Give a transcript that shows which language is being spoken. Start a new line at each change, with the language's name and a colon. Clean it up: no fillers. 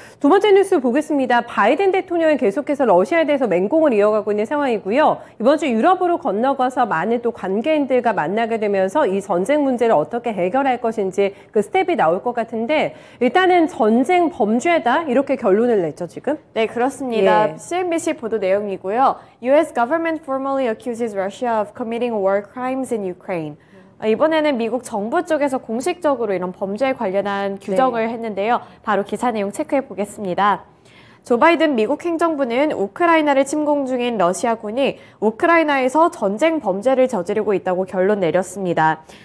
Korean: 두 번째 뉴스 보겠습니다. 바이든 대통령이 계속해서 러시아에 대해서 맹공을 이어가고 있는 상황이고요. 이번 주 유럽으로 건너가서 많은 또 관계인들과 만나게 되면서 이 전쟁 문제를 어떻게 해결할 것인지 그 스텝이 나올 것 같은데, 일단은 전쟁 범죄다 이렇게 결론을 냈죠, 지금? 네, 그렇습니다. 예. CNBC 보도 내용이고요.
English: US government formally accuses Russia of committing war crimes in Ukraine.
Korean: 이번에는 미국 정부 쪽에서 공식적으로 이런 범죄에 관련한 네. 규정을 했는데요. 바로 기사 내용 체크해 보겠습니다. 조 바이든 미국 행정부는 우크라이나를 침공 중인 러시아군이 우크라이나에서 전쟁 범죄를 저지르고 있다고 결론 내렸습니다.